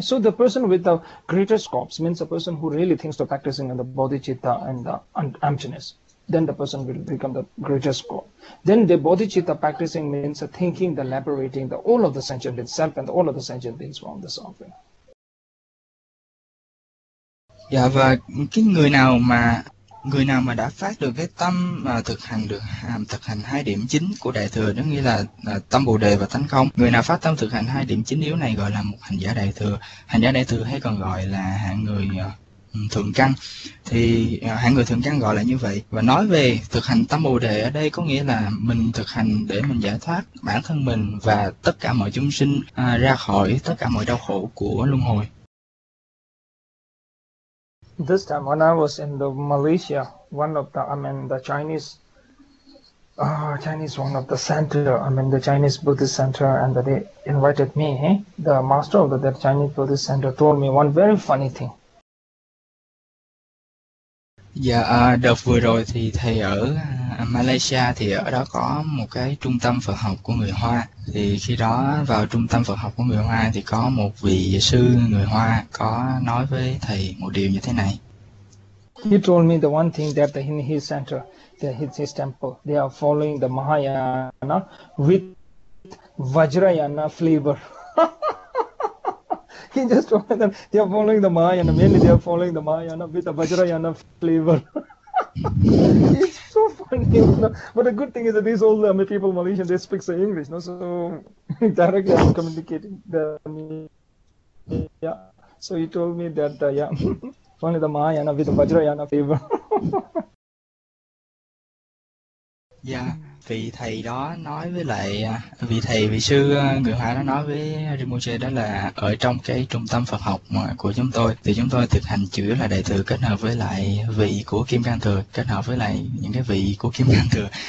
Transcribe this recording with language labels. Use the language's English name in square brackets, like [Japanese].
[English] So the person with the greater scopes means the person who really thinks the practicing and the bodhicitta and the emptiness. Then the person will become the greater scope. Then the bodhicitta practicing means the thinking, the liberating the all of the sentient itself and all of the sentient beings from the suffering. [Vietnamese] Dạ, và cái người nào mà đã phát được cái tâm mà thực hành được hàm thực hành hai điểm chính của đại thừa, đó nghĩa là tâm bồ đề và tánh không, người nào phát tâm thực hành hai điểm chính yếu này gọi là một hành giả đại thừa. Hành giả đại thừa hay còn gọi là hạng người thượng căn, thì hạng người thượng căn gọi là như vậy. Và nói về thực hành tâm bồ đề ở đây có nghĩa là mình thực hành để mình giải thoát bản thân mình và tất cả mọi chúng sinh ra khỏi tất cả mọi đau khổ của luân hồi. [English] This time when I was in the Malaysia, one of the, I mean, the Chinese, one of the center, I mean, the Chinese Buddhist center, and they invited me. The master of the Chinese Buddhist center told me one very funny thing. [Vietnamese] Dạ, đợt vừa rồi thì thầy ở Malaysia, thì ở đó có một cái trung tâm Phật học của người Hoa. Thì khi đó vào trung tâm Phật học của người Hoa thì có một vị sư người Hoa có nói với thầy một điều như thế này. [English] He told me the one thing that in his center, his temple, they are following the Mahayana with Vajrayana flavor. He just told me that they are following the Mahayana, mainly they are following the Mahayana with the Vajrayana flavor. It's so funny, you know? But the good thing is that these old people, Malaysian, they speak the English, no? So directly I'm communicating them. So he told me that, Only the Mahayana with the Vajrayana fever. [Vietnamese] Dạ, vị thầy đó nói với lại vị thầy vị sư người Hoa đó nói với Rinpoche, đó là ở trong cái trung tâm Phật học của chúng tôi thì chúng tôi thực hành chủ yếu là đại thừa kết hợp với lại vị của Kim Cang Thừa, kết hợp với lại những cái vị của Kim Cang Thừa.